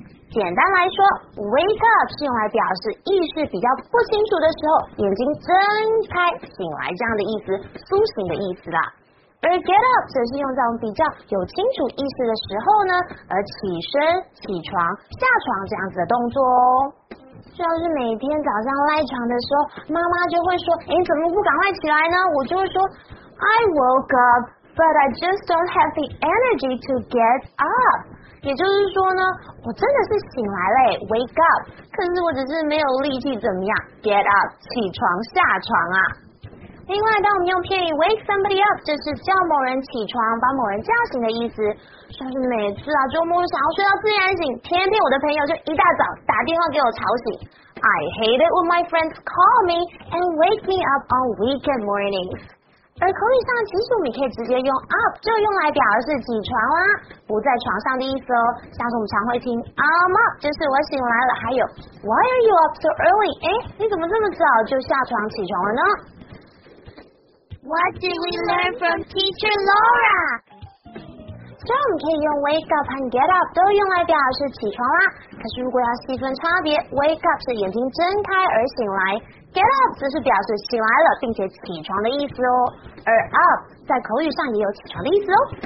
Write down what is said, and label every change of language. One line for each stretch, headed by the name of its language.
Chinese: 简单来说， wake up 是用来表示意识比较不清楚的时候，眼睛睁开醒来这样的意思，苏醒的意思啦。而 get up 则是用在我们比较有清楚意识的时候呢，而起身、起床、下床这样子的动作哦。像是每天早上赖床的时候，妈妈就会说：“哎，怎么不赶快起来呢？” 我就会说
English: ：“I woke up, but I just don't have the energy to get up。”
Chinese: 也就是说呢，我真的是醒来了 ，wake up， 可是我只是没有力气，怎么样 ？get up， 起床、下床啊。另外，当我们用片语 wake somebody up， 就是叫某人起床，把某人叫醒的意思。像是每次啊，周末想要睡到自然醒，偏偏我的朋友就一大早打电话给我吵醒。
English: I hate it when my friends call me and wake me up on weekend mornings。
Chinese: 而口语上其实我们可以直接用 up 就用来表示起床啦，不在床上的意思哦。像是我们常会听
English: I'm up，
Chinese: 就是我醒来了。还有
English: Why are you up so early？
Chinese: 哎，你怎么这么早就下床起床了呢？
English: What did we learn from Teacher Laura？
Chinese: 虽然我们可以用 wake up 和 get up 都用来表示起床啦，可是如果要细分差别， wake up 是眼睛睁开而醒来， get up 则是表示醒来了并且起床的意思哦。而 up 在口语上也有起床的意思哦。